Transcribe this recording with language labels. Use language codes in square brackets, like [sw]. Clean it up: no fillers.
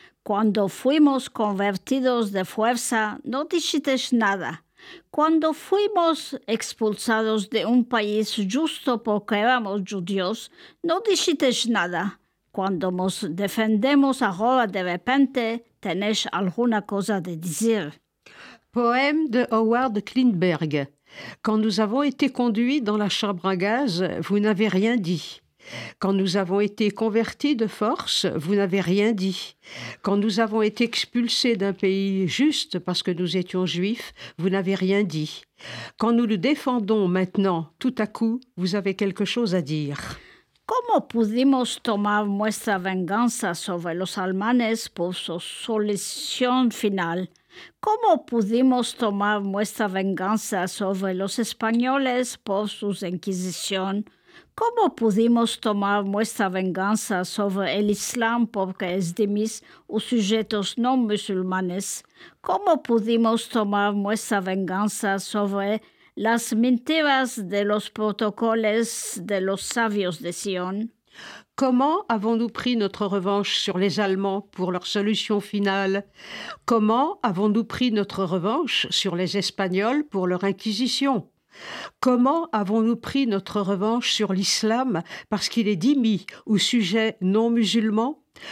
[lad] Cuando fuimos convertidos de fuerza, no dijiste nada. Cuando fuimos expulsados de un país justo porque éramos judíos, no dijiste nada. Cuando nos defendemos ahora de repente, tenés alguna cosa de decir. [fr] Poème de Howard Klimberg. Quand nous avons été conduits dans la chambre à gaz, vous n'avez rien dit. Quand nous avons été convertis de force, vous n'avez rien dit. Quand nous avons été expulsés d'un pays juste parce que nous étions juifs, vous n'avez rien dit. Quand nous le défendons maintenant, tout à coup, vous avez quelque chose à dire. Comment [lad] pudimos tomar nuestra venganza sobre los alemanes por su solución final? ¿Cómo pudimos tomar nuestra venganza sobre los españoles por su inquisición? ¿Cómo pudimos tomar nuestra venganza sobre el Islam porque esdimis los sujetos no musulmanes? ¿Cómo pudimos tomar nuestra venganza sobre las mentiras de los protocolos de los sabios de Sion? [fr] Comment avons-nous pris notre revanche sur les Allemands pour leur solution finale? Comment avons-nous pris notre revanche sur les Espagnols pour leur inquisition? Comment avons-nous pris notre revanche sur l'islam parce qu'il est dhimmi ou sujet non musulman?